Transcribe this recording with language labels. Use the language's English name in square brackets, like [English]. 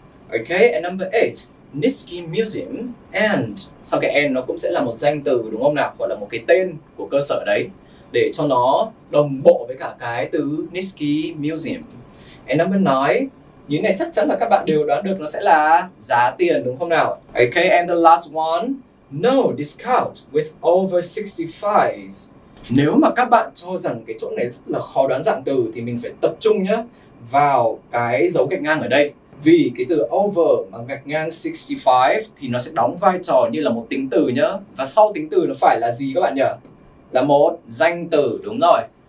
[English] Ok, and number 8, [Vietnamese] Nitsky Museum, and sau cái and nó cũng sẽ là một danh từ, đúng không nào? Gọi là một cái tên của cơ sở đấy, để cho nó đồng bộ với cả cái từ Nitsky Museum. [English] And number 9, [Vietnamese] những này chắc chắn là các bạn đều đoán được nó sẽ là giá tiền, đúng không nào? [English] Ok, and the last one, no discount with over 65s. [Vietnamese] Nếu mà các bạn cho rằng cái chỗ này rất là khó đoán dạng từ thì mình phải tập trung nhá vào cái dấu gạch ngang ở đây. Vì cái từ over mà gạch ngang 65 thì nó sẽ đóng vai trò như là một tính từ nhá. Và sau tính từ nó phải là gì các bạn nhỉ? Là một danh từ, đúng rồi.